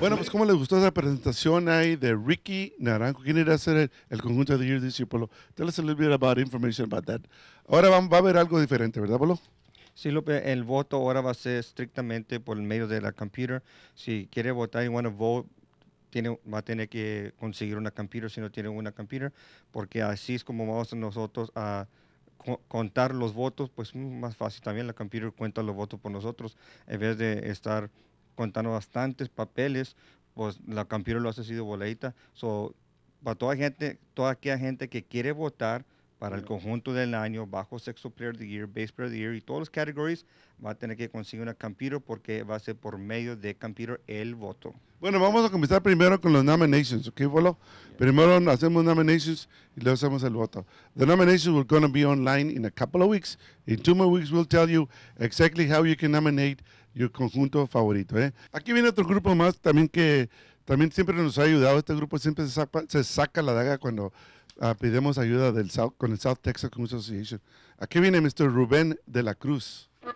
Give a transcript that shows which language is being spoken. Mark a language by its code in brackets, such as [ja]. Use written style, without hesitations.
[es] ¿Cómo les gustó esa presentación ahí de Ricky Naranjo? ¿Quién irá a ser el conjunto de Year This Year, Polo? [en] Tell us a little bit about information about that. [es] Ahora va a haber algo diferente, ¿verdad, Polo? Sí, Lupe, el voto ahora va a ser estrictamente por el medio de la computer. Si quiere votar y [en] want to vote, [es] va a tener que conseguir una computer si no tiene una computer, porque así es como vamos nosotros a contar los votos, pues más fácil también. La computer cuenta los votos por nosotros en vez de estar contando bastantes papeles, pues la campeona lo ha sido voladita. So, para toda aquella gente que quiere votar, para el conjunto del año, bajo sexto [en] player of the year, [es] bass player of the year, y todos los categories, va a tener que conseguir una computer porque va a ser por medio de computer el voto. Bueno, vamos a comenzar primero con los nominations, ¿ok, Bolo? Yeah. Primero hacemos nominations y luego hacemos el voto. [en] The nominations are going to be online in a couple of weeks. In 2 more weeks, we'll tell you exactly how you can nominate your [es] conjunto favorito, [en] ¿eh? [es] Aquí viene otro grupo más también que también siempre nos ha ayudado. Este grupo siempre se saca la daga cuando pedimos ayuda del South, con el South Texas Community Association. Aquí viene Mr. Rubén de la Cruz.